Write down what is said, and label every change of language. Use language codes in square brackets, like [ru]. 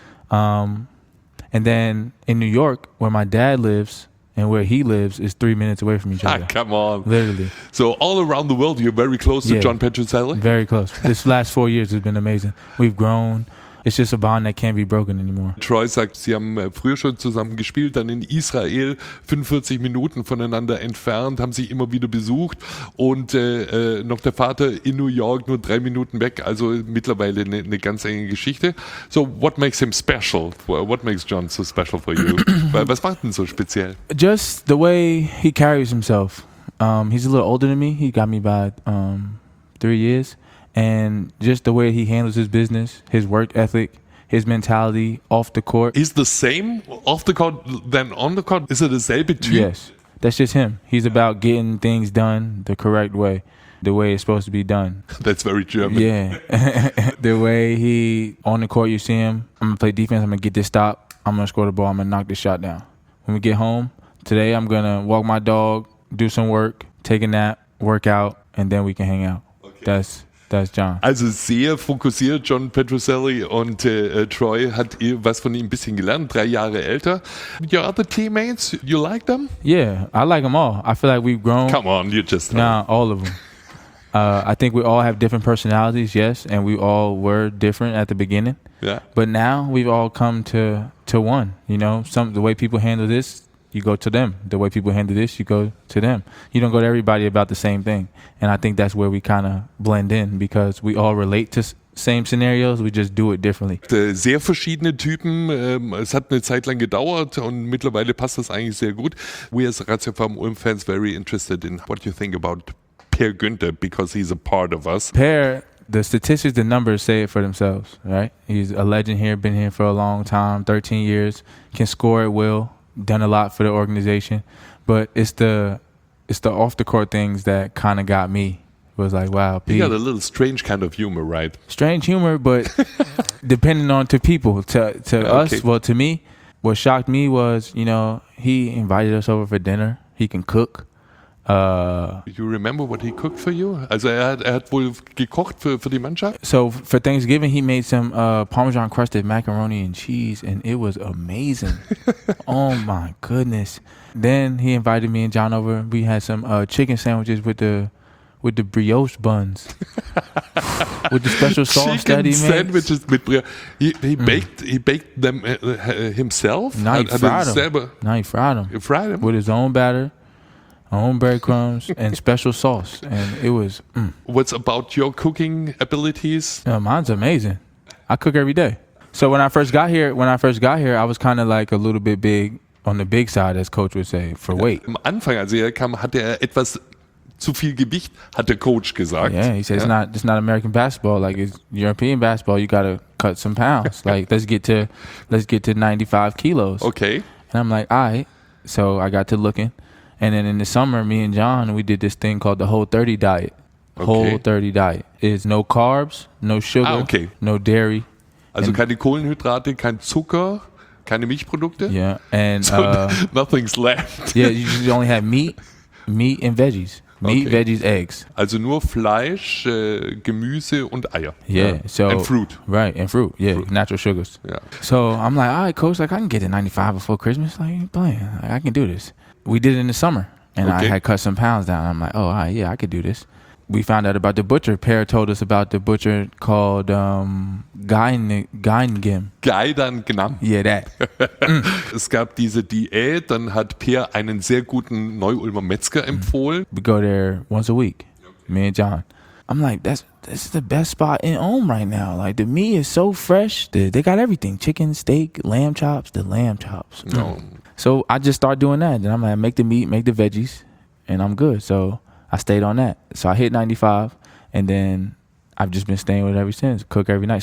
[en] And then in New York, where my dad lives and where he lives, is 3 minutes away from each other. Come on. Literally. So all around the world, you're very close to John Petrucelli? Very close. This last 4 years has been amazing. We've grown. It's just a bond that can't be broken anymore. [de] Troy sagt, sie haben früher schon zusammen gespielt, dann in Israel, 45 Minuten voneinander entfernt, haben sich immer wieder besucht und noch der Vater in New York, nur 3 Minuten weg, also mittlerweile eine ganz enge Geschichte. [en] So what makes him special? What makes John so special for you? [de] Was macht ihn so speziell? [en] Just the way he carries himself. He's a little older than me, he got me by 3 years. And just the way he handles his business, his work ethic, his mentality off the court. Is the same off the court than on the court? Is it the same between? Yes, that's just him. He's about getting things done the correct way, the way it's supposed to be done. That's very German. Yeah. The way he, on the court, you see him, I'm going to play defense, I'm going to get this stop, I'm going to score the ball, I'm going to knock this shot down. When we get home, today I'm going to walk my dog, do some work, take a nap, work out, and then we can hang out. Okay. That's John. [de] Also sehr fokussiert, John Petrucelli, und Troy hat was von ihm ein bisschen gelernt, 3 Jahre älter. [en] Your other teammates, you like them? Yeah, I like them all. I feel like we've grown. Come on, you just know. Nah, all of them. I think we all have different personalities, yes, and we all were different at the beginning. Yeah. But now we've all come to one, you know, the way people handle this. You go to them. The way people handle this, you go to them. You don't go to everybody about the same thing. And I think that's where we kind of blend in, because we all relate to same scenarios, we just do it differently. [de] Sehr verschiedene Typen. Es hat eine Zeit lang gedauert und mittlerweile passt das eigentlich sehr gut. [en] We as Ratio Farm Ulm fans very interested in what you think about Per Günther, because he's a part of us. Per, the statistics, the numbers say it for themselves, right? He's a legend here, been here for a long time, 13 years, can score at will. Done a lot for the organization, but it's the off the court things that kind of got me. It was like, wow, Pete. You got a little strange kind of humor, right? Strange humor, but depending on to people, to okay. Us, well, to me, what shocked me was, you know, he invited us over for dinner. He can cook. You remember what he cooked for you? [de] Also er hat wohl gekocht für die Mannschaft. [en] So for Thanksgiving he made some Parmesan crusted macaroni and cheese and it was amazing. Oh my goodness. Then he invited me and John over. We had some chicken sandwiches with the brioche buns. With the special sauce chicken that he made. Chicken sandwiches mit Brioche. He baked them himself? No, he fried them. He fried them? With his own batter. Own breadcrumbs and special sauce, and it was. What's about your cooking abilities? Yeah, mine's amazing. I cook every day. So when I first got here, I was kind of like a little bit big on the big side, as Coach would say, for weight. [de] Am Anfang, als er kam, hatte er etwas zu viel Gewicht, hat der Coach gesagt. [en] Yeah, he said it's not American basketball, like it's European basketball. You gotta cut some pounds. Like let's get to 95 kilos. Okay. And I'm like, all right. So I got to looking. And then in the summer, me and John, we did this thing called the Whole30 diet. Okay. Whole30 diet is no carbs, no sugar, no dairy. [de] Also keine Kohlenhydrate, kein Zucker, keine Milchprodukte. [en] Yeah, and so nothing's left. Yeah, you just only have meat and veggies. Meat, okay. Veggies, eggs. [de] Also nur Fleisch, Gemüse und Eier. [en] Yeah, so. And fruit. Right, and fruit. Yeah, fruit. Natural sugars. Yeah. So I'm like, all right, Coach, like I can get to 95 before Christmas. Like, playing. Like, I can do this. We did it in the summer, and okay. I had cut some pounds down. I'm like, oh, all right, yeah, I could do this. We found out about the butcher. Per told us about the butcher called Geidengim. Geidengim. Yeah, that. [de] Es gab diese Diät, dann hat Per einen sehr guten Neu-Ulmer Metzger empfohlen. [en] We go there once a week, me and John. I'm like, this is the best spot in Ulm right now. Like, the meat is so fresh. They got everything. Chicken, steak, lamb chops, the lamb chops. No. So I just start doing that. And I'm like, make the meat, make the veggies, and I'm good. So I stayed on that. So I hit 95, and then I've just been staying with it ever since. Cook every night.